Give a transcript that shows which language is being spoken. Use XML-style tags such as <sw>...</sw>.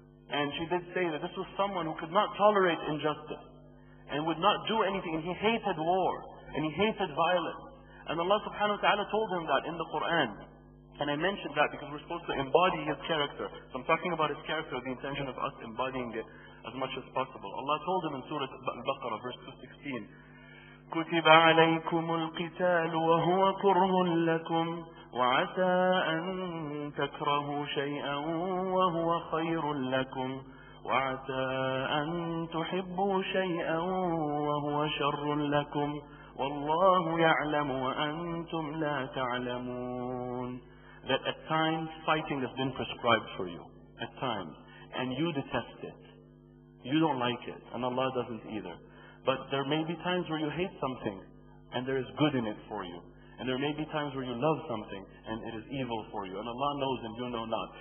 <en>And she did say that this was someone who could not tolerate injustice and would not do anything. And he hated war and he hated violence. And Allah subhanahu wa ta'ala told him that in the Quran. And I mentioned that because we're supposed to embody his character. So I'm talking about his character, the intention of us embodying it as much as possible. Allah told him in Surah Al-Baqarah, verse 216,</en> <ar>كُتِبَ عَلَيْكُمُ الْقِتَالُ وَهُوَ كُرْهٌ لَكُمْ وَعَسَىٰ أَن تَكْرَهُوا شَيْئًا وَهُوَ خَيْرٌ لَكُمْ وَعَسَىٰ أَن تُحِبُّوا شَيْئًا وَهُوَ شَرٌ لَكُمْ وَاللَّهُ يَعْلَمُ وَأَنْتُمْ لَا تَعْلَمُونَ.</ar> <en>That at times fighting has been prescribed for you. At times. And you detest it. You don't like it. And Allah doesn't either. But there may be times where you hate something and there is good in it for you. And there may be times where you love something and it is evil for you. And Allah knows and you know not.</en>